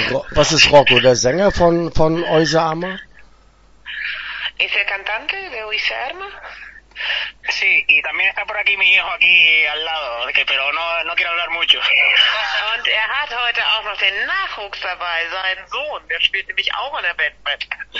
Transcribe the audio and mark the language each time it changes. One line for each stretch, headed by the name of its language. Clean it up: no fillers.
German: Was ist Rocco, der Sänger von Euse Ama? Ist der Cantante de Euse Ama?
Spanish: Sí, y también está por aquí mi hijo aquí al lado, pero no quiero hablar mucho.
German: Und hat heute auch noch den Nachwuchs dabei, sein Sohn, der spielt nämlich auch in der Band mit.